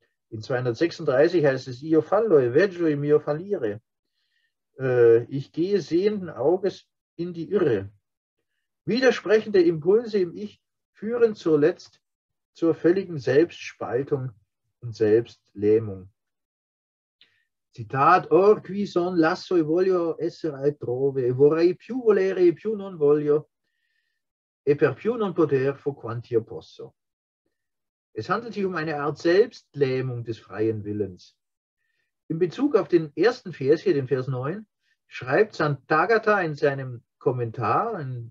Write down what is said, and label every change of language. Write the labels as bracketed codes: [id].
[de] In 236 heißt es, [it] io fallo e veggio il mio fallire. [de] Ich gehe sehenden Auges in die Irre. Widersprechende Impulse im Ich führen zuletzt zur völligen Selbstspaltung und Selbstlähmung. [it] Zitat, or qui son lasso e voglio essere altrove, vorrei più volere e più non voglio, e per più non poter fo quantio posso. [de] Es handelt sich um eine Art Selbstlähmung des freien Willens. In Bezug auf den ersten Vers hier, den Vers 9, schreibt Sant'Agata in seinem Kommentar,